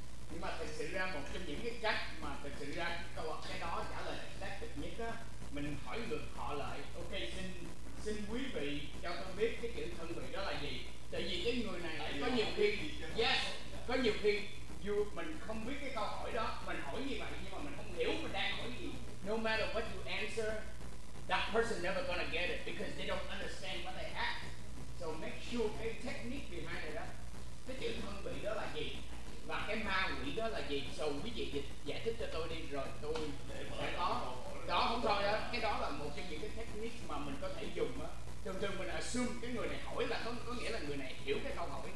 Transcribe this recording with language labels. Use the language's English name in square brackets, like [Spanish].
[Vietnamese] Nhưng mà thực sự ra một trong những cái cách mà thực sự ra cái đó trả lời xác thực nhất á, mình hỏi ngược họ lại. Ok, xin quý vị cho con biết cái kiểu thân vị đó là gì. Tại vì cái người này có nhiều khi dù mình không biết cái câu hỏi đó, mình hỏi như vậy nhưng mà mình không hiểu mình đang hỏi gì. [English] No matter what you answer, that person never gonna get it because they don't understand what they ask. So make sure [Vietnamese] cái [English] technique behind it [Vietnamese] đó, cái chữ thân vị đó là gì và cái ma quỷ đó là gì. So quý vị giải thích cho tôi đi rồi tôi sẽ có. Đó không thôi đó, cái đó là một trong những cái technique mà mình có thể dùng á. Thường thường mình assume cái người này hỏi là không có nghĩa là người này hiểu cái câu hỏi.